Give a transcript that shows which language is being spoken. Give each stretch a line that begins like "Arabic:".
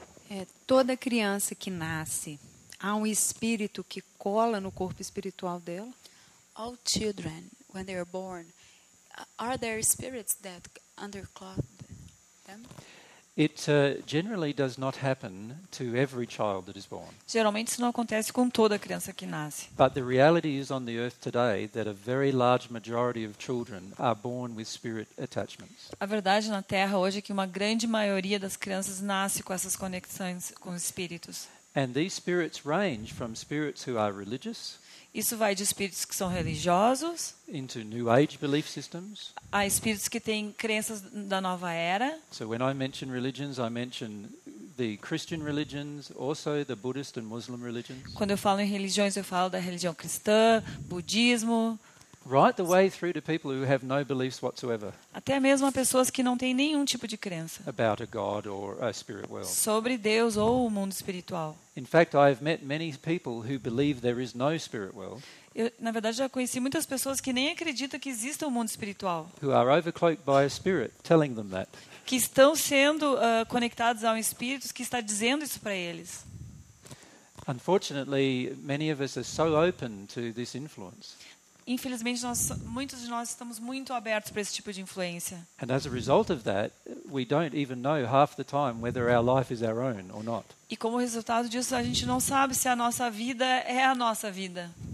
Portuguese: É, toda criança que nasce, há um espírito que cola no corpo espiritual dela?
English: All children, when they are born, are there spirits that underclothe them? It generally does not happen to every child that is born.
Portuguese: Geralmente isso não acontece com toda criança que nasce.
English: But the reality is on the earth today that a very large majority of children are born with spirit attachments.
Portuguese: A verdade na Terra hoje é que uma grande maioria das crianças nasce com essas conexões com espíritos.
English: And these spirits range from spirits who are religious.
Portuguese: Isso vai de espíritos que são religiosos.
English: Into new age belief systems.
Portuguese: A espíritos que têm crenças da nova era.
English: So when I mention religions, I mention the Christian religions, also the Buddhist and Muslim religions.
Portuguese: Quando eu falo em religiões, eu falo da religião cristã, budismo.
English: Right the way through to people who have no beliefs whatsoever.
Portuguese: Até mesmo a pessoas que não têm nenhum tipo de crença.
English: About a god or a spirit world.
Portuguese: Sobre Deus ou o mundo espiritual.
English: In fact, I have met many people who believe there is no spirit world.
Portuguese: Eu, na verdade, já conheci muitas pessoas que nem acreditam que existe um mundo espiritual.
English: Who are overcloaked by a spirit telling them that.
Portuguese: Que estão sendo conectados a um espírito que está dizendo isso para eles.
English: Unfortunately, many of us are so open to this influence.
Portuguese: Infelizmente, muitos de nós estamos muito abertos para esse tipo de influência.
English: And as a result of that, we don't even know half the time whether our life is our own or not.
Portuguese: E como resultado disso, a gente não sabe se a nossa vida é a nossa vida.